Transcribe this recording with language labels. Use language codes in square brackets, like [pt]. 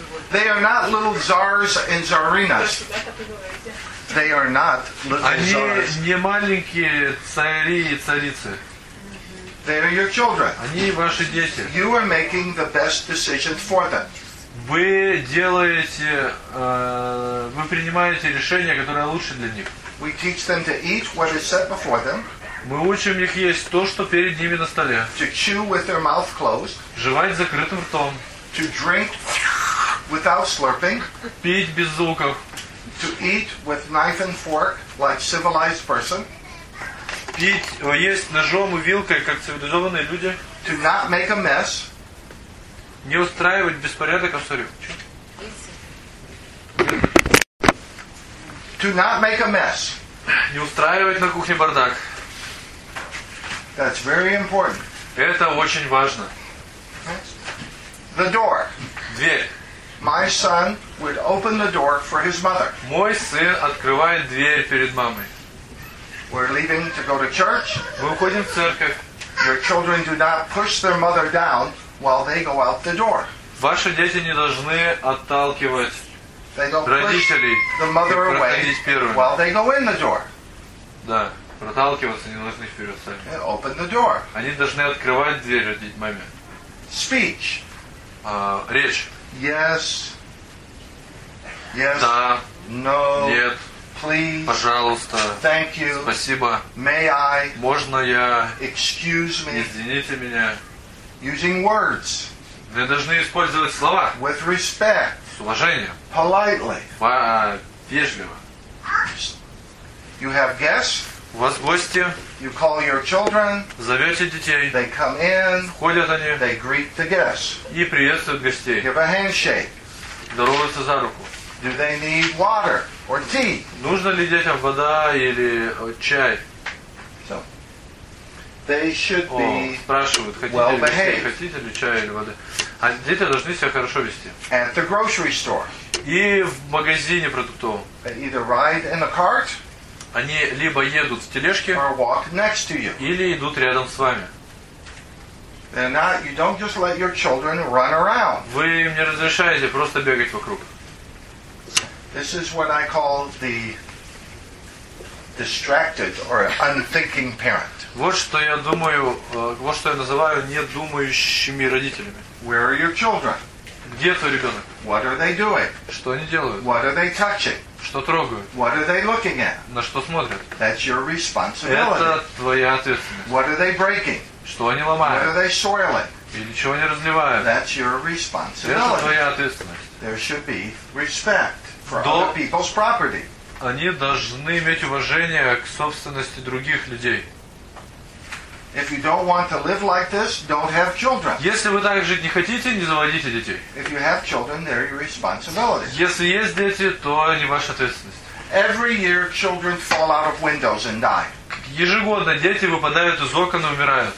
[en] They are not little czars and czarinas. They are not little czars. [ru] Они не маленькие цари и царицы. [en] They are your children. [ru] Они ваши дети. [en] You are making the best decision for them. [ru] Вы делаете, вы принимаете решение, которое лучше для них. [en] We teach them to eat what is set before them. [ru] Мы учим их есть то, что перед ними на столе. [en] To chew with their mouth closed. [ru] Жевать с закрытым ртом. [en] To drink without slurping. [ru] Пить без звуков. [en] To eat with knife and fork like civilized person. [ru] Пить, есть ножом и вилкой, как цивилизованные люди. [en] To not make a mess. [ru] Не устраивать беспорядок, а сорю. [en] To not make a mess. [ru] Не устраивать на кухне бардак. [en] That's very important. [ru] Это очень важно. [en] The door. [ru] Дверь. [en] My son would open the door for his mother. [ru] Мой сын открывает дверь перед мамой. [en] We're leaving to go to church. [ru] Мы уходим в церковь. [en] Your children do not push their mother down while they go out the door. [ru] Ваши дети не должны отталкивать родителей и проходить первыми. [en] While they go in the door. [ru] Да, проталкиваться не должны вперед сами. [en] They open the door. [ru] Они должны открывать дверь родить маме. [en] Speech. [ru] Речь. [en] Yes. Yes. [ru] Да. [en] No. [ru] Нет. [en] Please. [ru] Пожалуйста. [en] Thank you. [ru] Спасибо. [en] May I? [ru] Можно я? [en] Excuse me. [ru] Извините меня. [en] Using words. [ru] Вы должны использовать слова. [en] With respect. [ru] С уважением. [en] Politely. [ru] Вежливо. [en] You have guests. [ru] У вас гости. [en] You call your children. [ru] Зовете детей. [en] They come in. [ru] Входят они. [en] They greet the guests. [ru] И приветствуют гостей. [en] Give a handshake. [ru] Здороваются за руку. [en] Do they need water or tea? [ru] Нужно ли детям вода или чай? [en] So, they should be [ru] спрашивают, хотите ли чай или воды. А дети должны себя хорошо вести. [en] At the grocery store. [ru] И в магазине продуктовом. [en] Either ride in a cart. [ru] Они либо едут в тележке, [en] or walk next to you. [ru] Или идут рядом с вами. [en] They're not, you don't just let your children run around. [ru] Вы им не разрешаете просто бегать вокруг. [en] This is what I call the distracted or unthinking parent. [ru] Вот что я думаю, вот что я называю недумающими родителями. [en] Where are your children? [ru] Где твой ребенок? [en] What are they doing? [ru] Что они делают? [en] What are they touching? [ru] Что трогают? [en] What are they looking at? [ru] На что смотрят? [en] That's your responsibility. [ru] Это твоя ответственность. [en] What are they breaking? [ru] Что они ломают? [en] What are they soiling? [ru] Или чего они разливают? [en] That's your responsibility. [ru] Это твоя ответственность. [en] There should be respect. Other people's property. [ru] Они должны иметь уважение к собственности других людей. [en] If you don't want to live like this, don't have children. [ru] Если вы так жить не хотите, не заводите детей. [en] If you have children, they're your responsibility. [ru] Если есть дети, то они ваша ответственность. [en] Every year, children fall out of windows and die. [ru] Ежегодно дети выпадают из окон и умирают.